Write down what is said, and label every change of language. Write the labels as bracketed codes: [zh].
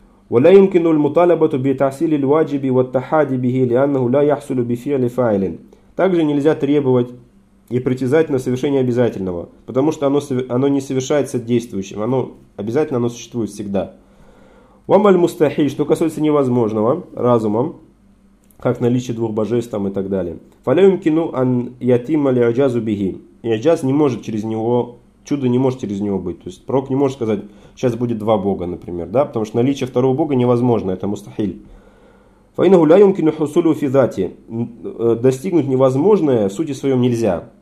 [ar] ولا يمكن المطالبة بتحصيل الواجب والتحاد به لأنه لا يحصل بفعل فاعل. [ru] Также нельзя требовать и притязать на совершение обязательного, потому что оно не совершается действующим, оно обязательно оно существует всегда. [ar] وما المستحيل, [ru] что касается невозможного разумом, как наличие двух божеств там и так далее. [ar] فلا يمكن أن يتم الإعجاز به. [ru] Иджаз не может через него. Чудо не может через него быть. То есть пророк не может сказать, сейчас будет два бога, например. Да? Потому что наличие второго бога невозможно. Это мустахиль. Достигнуть невозможное в сути своем нельзя.